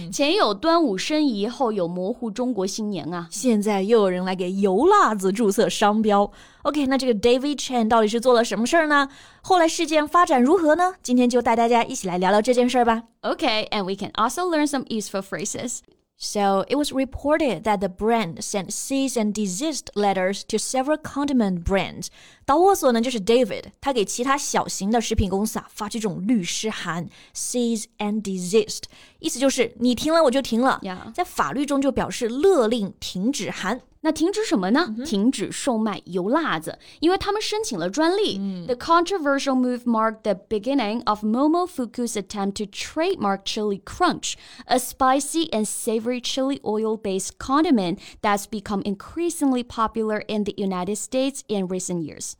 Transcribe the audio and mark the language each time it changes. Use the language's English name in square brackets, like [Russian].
[Chinese] 前有端午申遗，后有模糊中国新年啊，现在又有人来给油辣子注册商标。 OK， 那这个 David Chan 到底是做了什么事呢？后来事件发展如何呢？今天就带大家一起来聊聊这件事吧。 [English] OK， and we can also learn some useful phrases。 So, it was reported that the brand sent cease and desist letters to several condiment brands. [Chinese] 导火索呢就是 David, 他给其他小型的食品公司啊发这种律师函 cease and desist, 意思就是你停了我就停了、 yeah. 在法律中就表示勒令停止函。那停止什么呢、mm-hmm. 停止售卖油辣子，因为他们申请了专利、 mm. [English] The controversial move marked the beginning of Momofuku's attempt to trademark chili crunch, a spicy and savory chili oil-based condiment that's become increasingly popular in the United States in recent years.